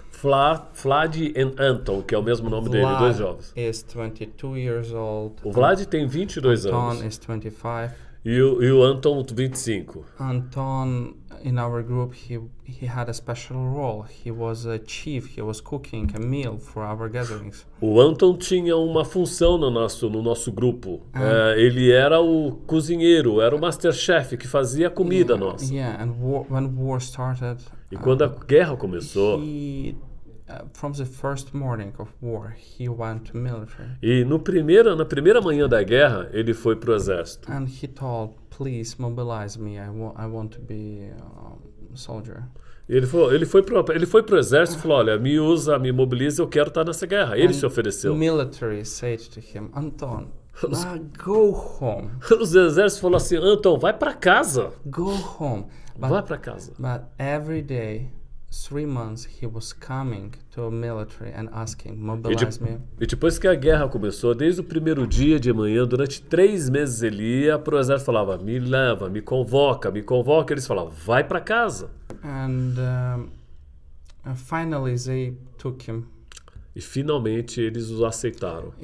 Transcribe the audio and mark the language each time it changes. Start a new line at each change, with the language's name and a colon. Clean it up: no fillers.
Portuguese: Vlad and Anton, que é o mesmo nome dele, dois jovens.
English: Vlad is 22 years old.
Portuguese: O Vlad tem 22 Anton anos.
English: Anton is 25.
Portuguese: E o Anton, 25.
English: Anton, in our group, he had a special role. He was a chief. He was cooking a meal for our gatherings.
Portuguese: O Anton tinha uma função no nosso grupo. Ele era o cozinheiro, era o master chef que fazia comida nossa.
English: Yeah, and when war started.
Portuguese: E quando a guerra começou.
English: From the first morning of war, he went to military.
Portuguese: E na primeira manhã da guerra, ele foi pro exército.
English: And he told, please mobilize me. I want to be a soldier.
Portuguese: Ele foi pro exército e falou, olha, me usa, me mobiliza, eu quero estar nessa guerra. Ele
English: and
Portuguese: se ofereceu.
English: Military said to him, Anton, go home.
Portuguese: Os exércitos falou assim, Anton, vai para casa.
English: Go home.
Portuguese: But, vai para casa.
English: But every day 3 months he was coming to a military and asking, mobilize me.
Portuguese: E depois que a guerra começou, desde o primeiro dia de manhã, durante 3 meses ele ia pro exército, falava, me leva, me convoca. Eles falavam, vai para casa.
English: And finally they took him.
Portuguese: E finalmente eles o aceitaram.